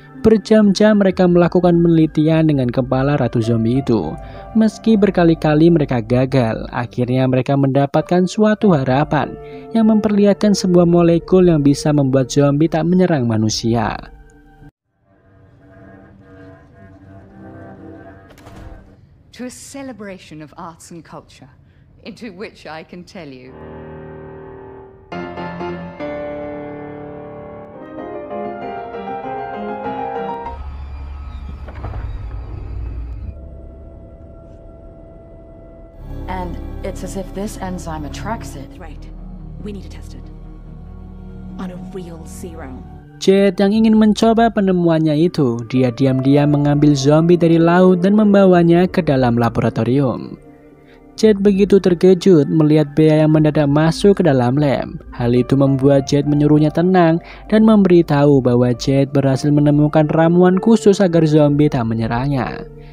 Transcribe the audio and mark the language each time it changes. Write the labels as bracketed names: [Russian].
[Indonesian] Berjam-jam mereka melakukan penelitian dengan kepala ratu zombie itu. Meski berkali-kali mereka gagal, akhirnya mereka mendapatkan suatu harapan yang memperlihatkan sebuah molekul yang bisa membuat zombie tak menyerang manusia. [English] To a celebration of arts and culture, into which I can tell you. And it's as if this enzyme attracts it. Right. We need to test it. On a real serum. [Indonesian] Jade yang ingin mencoba penemuannya itu, dia diam-diam mengambil zombie dari laut dan membawanya ke dalam laboratorium. Jade begitu terkejut melihat Bea yang mendadak masuk ke dalam lab. Hal itu membuat Jade menyuruhnya tenang dan memberitahu bahwa Jade berhasil menemukan ramuan khusus agar zombie tak menyerangnya.